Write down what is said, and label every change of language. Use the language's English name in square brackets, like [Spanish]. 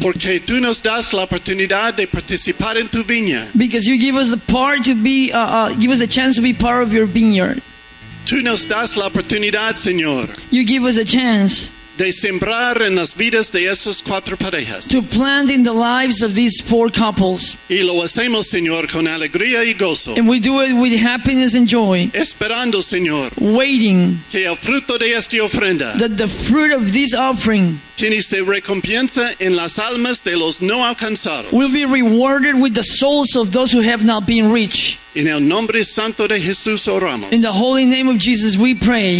[Spanish] Porque tú nos das la oportunidad de participar en tu viña. [English] Because you give us the part to be, give us a chance to be part of your vineyard. [Spanish] Tú nos das la oportunidad, Señor. [English] You give us a chance. [Spanish] De sembrar en las vidas de estas cuatro parejas. [English] To plant in the lives of these four couples. [Spanish] Y lo hacemos, Señor, con alegría y gozo. [English] And we do it with happiness and joy. [Spanish] Esperando, Señor. [English] Waiting. [Spanish] Que el fruto de esta ofrenda. [English] That the fruit of this offering. [Spanish] Tienes de recompensa en las almas de los no alcanzados. [English] Will be rewarded with the souls of those who have not been rich. [Spanish] En el nombre santo de Jesús oramos. [English] In the holy name of Jesus we pray.